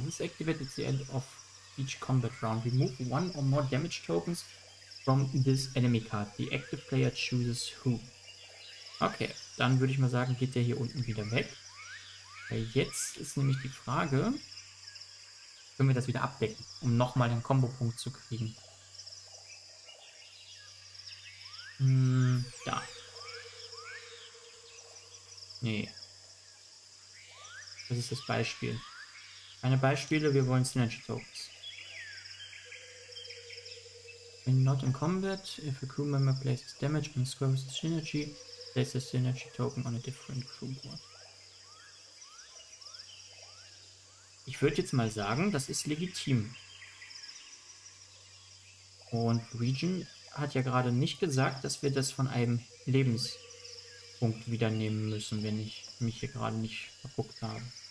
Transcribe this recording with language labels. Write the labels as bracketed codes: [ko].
[en] This activates the end of each combat round. Remove one or more damage tokens from this enemy card. The active player chooses who. [de] Okay, dann würde ich mal sagen, geht der hier unten wieder weg. Weil jetzt ist nämlich die Frage, können wir das wieder abdecken, um nochmal den Combo-Punkt zu kriegen? Da. Nee. Das ist das Beispiel. Keine Beispiele, wir wollen Synergy-Tokens. [en] When not in combat, if a crew member places damage and scores Synergy, place a Synergy-Token on a different crew board. [de] Ich würde jetzt mal sagen, das ist legitim. Und Region hat ja gerade nicht gesagt, dass wir das von einem Lebenspunkt wieder nehmen müssen, wenn ich mich hier gerade nicht verguckt habe.